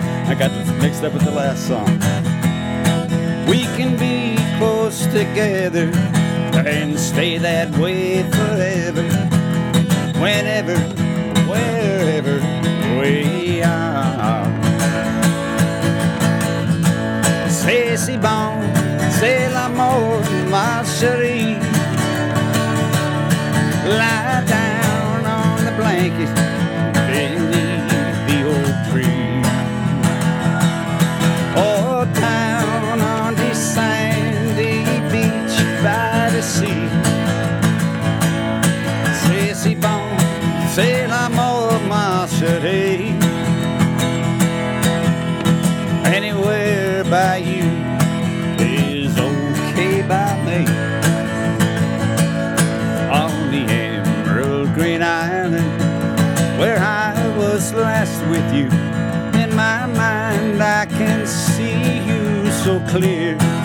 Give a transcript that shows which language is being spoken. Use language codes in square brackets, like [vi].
[en] I got this mixed up with the last song. We can be close together and stay that way forever, whenever, wherever we are. [fr] C'est si bon, c'est l'amour, ma chérie. [en] Lie down on the blanket beneath the old tree. Oh, down on the sandy beach by the sea. [fr] C'est si bon, c'est l'amour, ma chérie. [en] Anywhere by you is okay by me. On the emerald green island where I was last with you, in my mind I can see you so clear.